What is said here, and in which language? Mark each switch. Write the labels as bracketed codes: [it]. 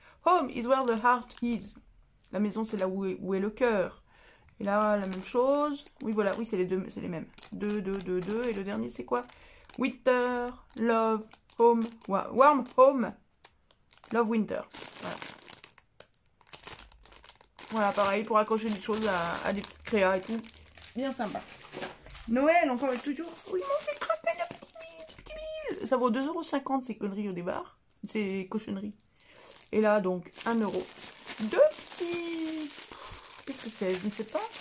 [en] Home is where the heart is. [fr] La maison, c'est là où est le cœur. Et là, la même chose. Oui, voilà. Oui, c'est les deux, c'est les mêmes. Deux, deux, deux, deux. Et le dernier, c'est quoi? [en] Winter, love, home, warm, home, love, winter. [fr] Voilà. Voilà, pareil, pour accrocher des choses à des petites créas et tout. Bien sympa. Noël, encore et toujours. Oui, mon fait craquer la petite mille. Ça vaut 2,50€ ces conneries au départ. Ces cochonneries. Et là, donc, 1 euro. Deux petits. Qu'est-ce que c'est? Je ne sais pas.